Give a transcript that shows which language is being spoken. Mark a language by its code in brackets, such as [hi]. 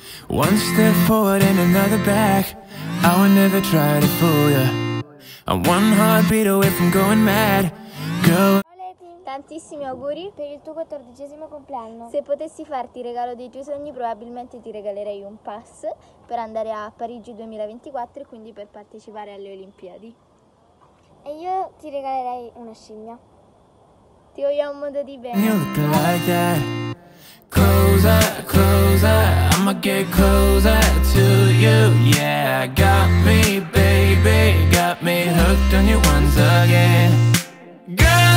[en] One step forward and another back, I would never try to fool ya. I'm one heartbeat away from going mad, girl. [it] Tantissimi auguri per il tuo 14esimo compleanno. Se potessi farti il regalo dei tuoi sogni, probabilmente ti regalerei un pass per andare a Parigi 2024 e quindi per partecipare alle Olimpiadi. E io ti regalerei una scimmia. Ti voglio un modo di bene. [en] You look like that. Closer, closer, I'ma get closer to you. Yeah, got me baby, got me hooked on you once again.